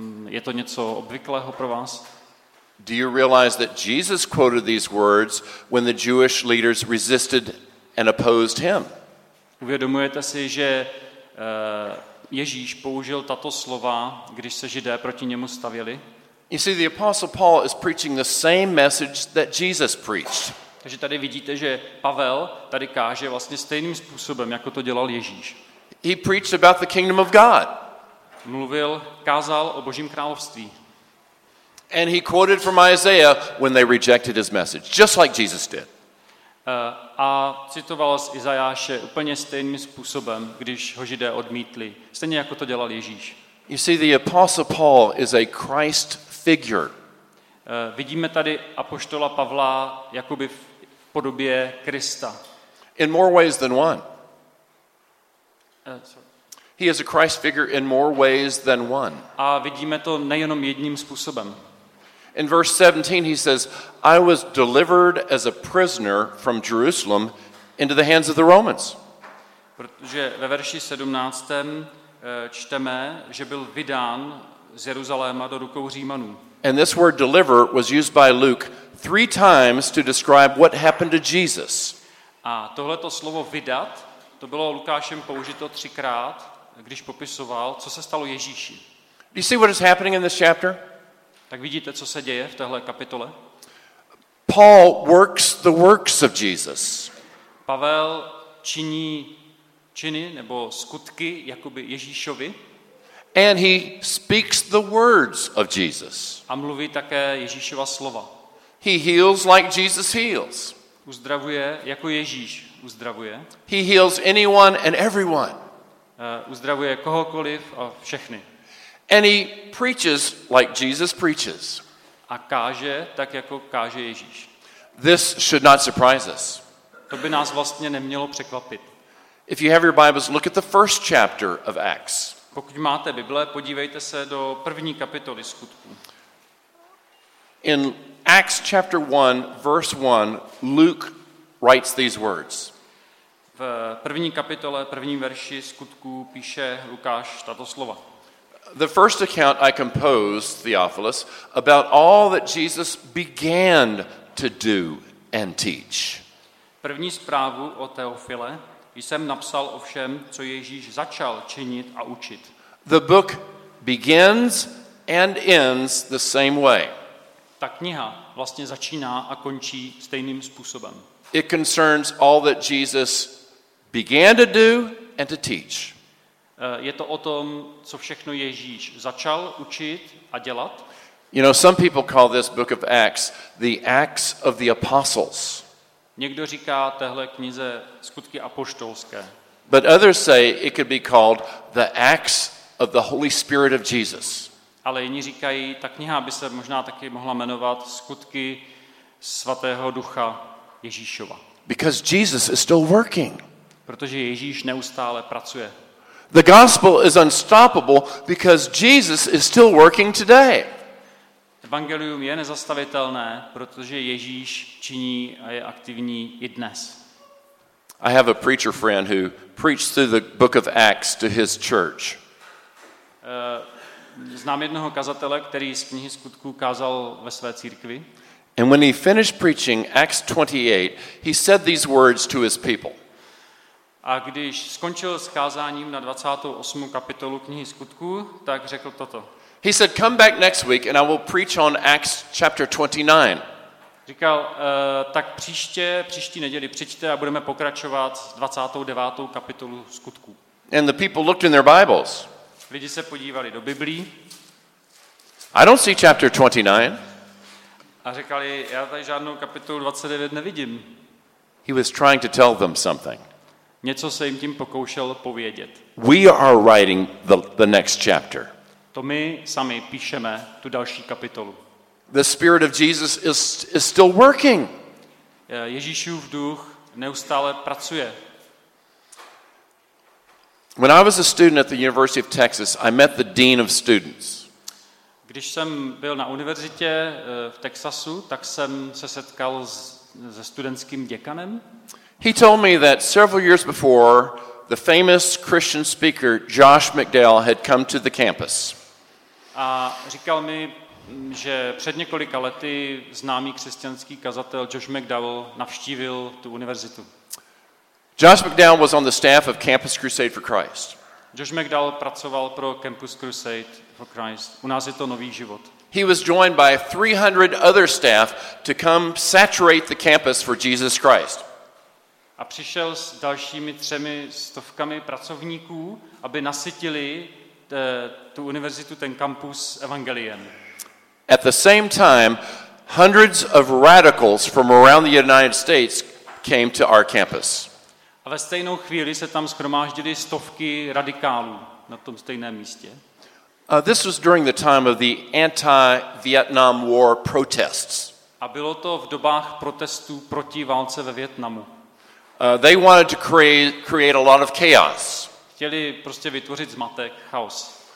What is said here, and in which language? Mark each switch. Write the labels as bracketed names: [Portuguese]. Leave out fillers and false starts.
[Czech] Je to něco obvyklého pro vás? [English] Do you realize that Jesus quoted these words when the Jewish leaders resisted and opposed him? [Czech] Uvědomujete si, že Ježíš použil tato slova, když se Židé proti němu stavěli? [English] You see, the apostle Paul is preaching the same message that Jesus preached. [Czech] Takže tady vidíte, že Pavel tady káže vlastně stejným způsobem, jako to dělal Ježíš. [English] He preached about the kingdom of God. [Czech] Mluvil, kázal o Božím království. [English] And he quoted from Isaiah when they rejected his message, just like Jesus did. [Czech] A citoval z Izajáše úplně stejným způsobem, když ho Židé odmítli, stejně jako to dělal Ježíš. [English] You see, the apostle Paul is a Christ figure. [Czech] Vidíme tady apoštola Pavla jakoby v podobě Krista. [English] In more ways than one. He is a Christ figure in more ways than one. [Czech] A vidíme to nejenom jedním způsobem. [English] In verse 17 he says, I was delivered as a prisoner from Jerusalem into the hands of the Romans. [Czech] Protože ve verši 17. čteme, že byl vydán z Jeruzaléma do rukou Římanů. [English] And this word deliver was used by Luke 3 times to describe what happened to Jesus. [Czech] A tohleto slovo vydat, to bylo Lukášem použito 3x, když popisoval, co se stalo Ježíši. [English] Do you see what is happening in this chapter? [Czech] Tak vidíte, co se děje v téhle kapitole? [English] Paul works the works of Jesus. [Czech] Pavel činí činy nebo skutky jakoby Ježíšovi. [English] And he speaks the words of Jesus. [Czech] A mluví také Ježíšova slova. [English] He heals like Jesus heals. [Czech] Uzdravuje jako Ježíš uzdravuje. [English] He heals anyone and everyone. [Czech] Uzdravuje kohokoliv a všechny. [English] And he preaches like Jesus preaches. [Czech] A káže tak jako káže Ježíš. [English] This should not surprise us. [Czech] To by nás vlastně nemělo překvapit. [English] If you have your Bibles, look at the first chapter of Acts. [Czech] Pokud máte Bible, podívejte se do první kapitoly skutků. [English] In Acts chapter 1, verse 1, Luke writes these words. [Czech] V první kapitole, první verši skutků píše Lukáš tato slova. [English] The first account I composed, Theophilus, about all that Jesus began to do and teach. [Czech] První zprávu o Teofile jsem napsal o všem, co Ježíš začal činit a učit. [English] The book begins and ends the same way. [Czech] Ta kniha vlastně začíná a končí stejným způsobem. [English] It concerns all that Jesus began to do and to teach. [Czech] Je to o tom, co všechno Ježíš začal učit a dělat. [English] You know, some people call this book of Acts the Acts of the Apostles. [Czech] Někdo říká téhle knize skutky apoštolské. [English] But others say it could be called the Acts of the Holy Spirit of Jesus. [Czech] Ale jiní říkají, ta kniha by se možná taky mohla jmenovat skutky svatého ducha Ježíšova. [English] Because Jesus is still working. [Czech] Protože Ježíš neustále pracuje. [English] The gospel is unstoppable because Jesus is still working today. [Czech] Evangelium je nezastavitelné, protože Ježíš činí a je aktivní i dnes. [English] I have a preacher friend who preached through the book of Acts to his church. [Czech] Znám jednoho kazatele, který z knihy skutků kázal ve své církvi. [English] And when he finished preaching Acts 28, he said these words to his people. [Czech] A když skončil s kázáním na 28. kapitolu knihy skutků, tak řekl toto. [English] He said, "Come back next week and I will preach on Acts chapter 29." [Czech] Říkal, tak příští neděli přijďte a budeme pokračovat 29. kapitolu Skutků. [English] And the people looked in their Bibles. [Czech] Lidi se podívali do Biblí. [English] I don't see chapter 29. [Czech] A říkali, já tady žádnou kapitolu 29 nevidím. [English] He was trying to tell them something. [Czech] Něco se jim tím pokoušel povědět. [English] We are writing the next chapter. [Czech] To my sami píšeme tu další kapitolu. [English] The Spirit of Jesus is still working. [Czech] Ježíšův duch neustále pracuje. [English] When I was a student at the University of Texas, I met the dean of students. [Czech] Když jsem byl na univerzitě v Texasu, tak jsem se setkal se studentským děkanem. [English] He told me that several years before, the famous Christian speaker Josh McDowell had come to the campus. [Czech] A říkal mi, že před několika lety známý křesťanský kazatel Josh McDowell navštívil tu univerzitu. [English] Josh McDowell was on the staff of Campus Crusade for Christ. [Czech] Josh McDowell pracoval pro Campus Crusade for Christ. U nás je to nový život. [English] He was joined by 300 other staff to come saturate the campus for Jesus Christ. [Czech] A přišel s dalšími třemi stovkami pracovníků, aby nasytili tu univerzitu, ten kampus evangeliem. [English] At the same time, hundreds of radicals from around the United States came to our campus. [Czech] A ve stejnou chvíli se tam shromáždily stovky radikálů na tom stejném místě. [English] This was during the time of the anti-Vietnam War protests. [Czech] A bylo to v dobách protestů proti válce ve Vietnamu. [English] They wanted to create a lot of chaos. [Czech] Chtěli prostě vytvořit zmatek, chaos.